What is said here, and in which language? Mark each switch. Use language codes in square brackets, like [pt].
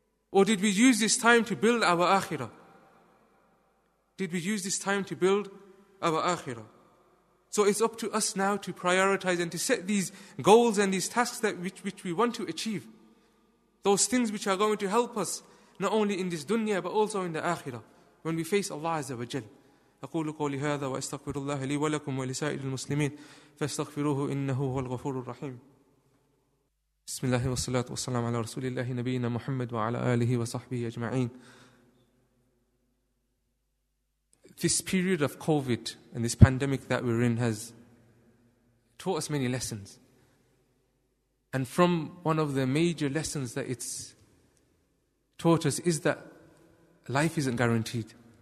[en] Or did we use this time to build our akhirah? Did we use this time to build our akhirah? So it's up to us now to prioritize and to set these goals and these tasks that which we want to achieve. Those things which are going to help us, not only in this dunya, but also in the akhirah, when we face Allah Azza wa Jal. [ar] أقول قولي هذا وأستغفر الله لي ولكم ولسائر المسلمين فاستغفروه إنه هو الغفور الرحيم. بسم الله والصلاة والسلام على رسول الله نبينا محمد وعلى آله وصحبه أجمعين. [en] This period of COVID and this pandemic that we're in has taught us many lessons. And from one of the major lessons that it's taught us is that life isn't guaranteed.